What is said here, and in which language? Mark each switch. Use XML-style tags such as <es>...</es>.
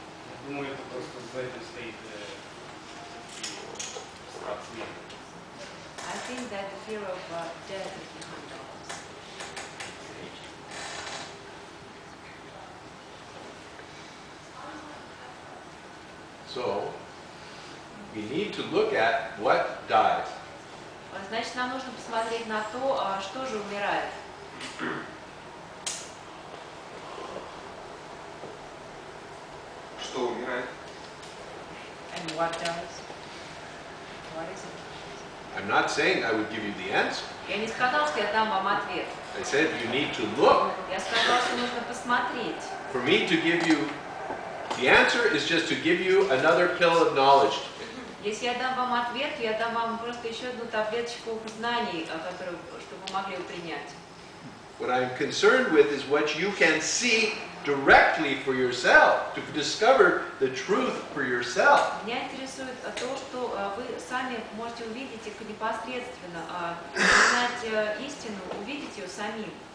<ru>Я думаю, это просто за этим стоит страх смерти.</ru> <en>I think that the fear of death is behind all of us. So, we need to look at what dies.</en> <ru>Значит, нам нужно посмотреть на то, что же умирает. Что умирает?</ru> <en>And what dies? What is it? I'm not saying I would give you the answer.</en> <ru>Я не сказал, что я дам вам ответ.</ru> <en>I said you need to look.</en> <ru>Я сказал, что нужно посмотреть.</ru> <en>For me to give you the answer is just to give you another pill of knowledge.</en> <ru>Если я дам вам ответ, я дам вам просто еще одну таблеточку знаний, чтобы вы могли принять.</ru> <en>What I'm concerned with is what you can see directly for yourself, to discover the truth for yourself.</en> <ru>Меня интересует то, что вы сами можете увидеть их непосредственно, знать истину, увидеть ее самим.</ru>